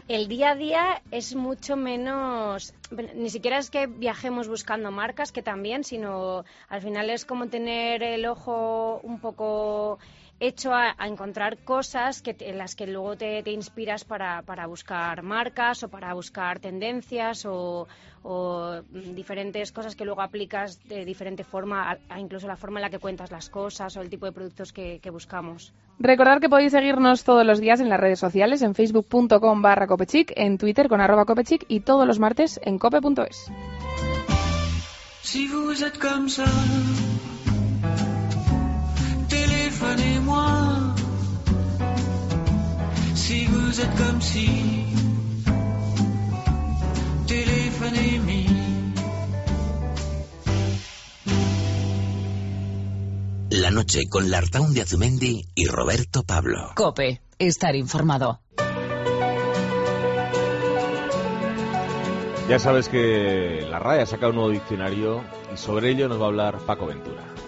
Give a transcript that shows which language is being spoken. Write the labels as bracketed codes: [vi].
[es] El día a día es mucho menos, ni siquiera es que viajemos buscando marcas, que también, sino al final es como tener el ojo un poco hecho a encontrar cosas en las que luego te inspiras para buscar marcas o para buscar tendencias o diferentes cosas que luego aplicas de diferente forma, a incluso la forma en la que cuentas las cosas o el tipo de productos que buscamos. Recordad que podéis seguirnos todos los días en las redes sociales, en facebook.com/copechic, en Twitter con @copechic y todos los martes en cope.es. [fr] Si vous êtes comme ça, téléphonez-moi. Si vous êtes comme si, téléphonez-moi. [es] La noche con Lartaun de Azumendi y Roberto Pablo. COPE, estar informado. Ya sabes que la RAE ha sacado un nuevo diccionario y sobre ello nos va a hablar Paco Ventura.